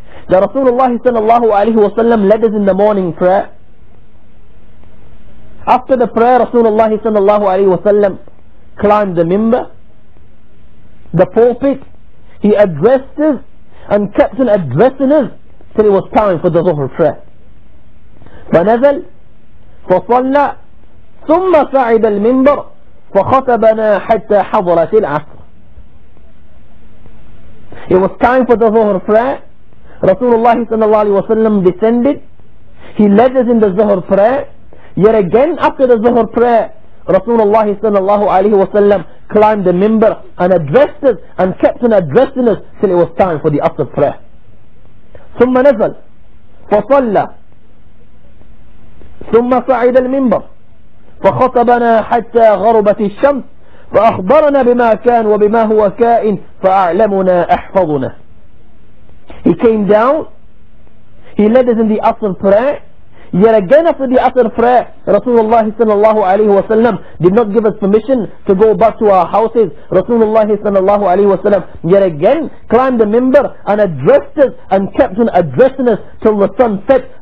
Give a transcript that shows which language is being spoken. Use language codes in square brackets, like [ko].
[en] The Rasulullah صلى الله عليه وسلم led us in the morning prayer. After the prayer, Rasulullah صلى الله عليه وسلم climbed the minbar, the pulpit. He addressed us and kept on addressing us till it was time for the Zuhr prayer. [ar] فنزل فصلى ثم صعد المنبر فخطبنا حتى حضرت العصر. [en] It was time for the Zuhr prayer. Rasulullah sallallahu alaihi wasallam descended. He led us in the Zuhr prayer. Yet again, after the Zuhr prayer, Rasulullah sallallahu alaihi wasallam climbed the minbar and addressed us and kept on addressing us till it was time for the Asr prayer. [ar] ثم نزل فصلى ثم صعد المنبر فخطبنا حتى غربت الشمس فأخبرنا بما كان وبما هو كائن فأعلمنا أحفظنا. [en] He came down, he led us in the Asr prayer. Yet again after the Asr prayer, Rasulullah sallallahu alayhi wa sallam did not give us permission to go back to our houses. Rasulullah sallallahu alayhi wa sallam yet again climbed the minbar and addressed us and kept on addressing us till the sun set.